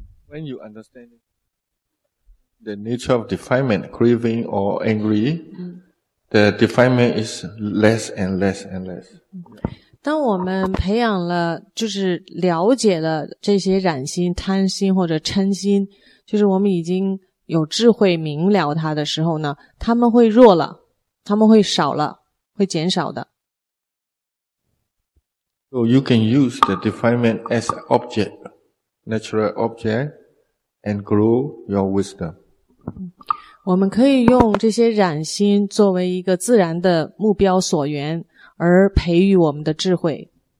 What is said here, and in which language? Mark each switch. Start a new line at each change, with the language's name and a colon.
English: When you understand the nature of defilement, craving or angry, the defilement is less and less and less.
Chinese: 当我们培养了，就是了解了这些染心、贪心或者嗔心，就是我们已经有智慧明了它的时候呢，他们会弱了，他们会少了，会减少的。
English: So you can use the defilement as object, natural object, and grow your wisdom.
Chinese: 我们可以用这些染心作为一个自然的目标所缘，而培育我们的智慧。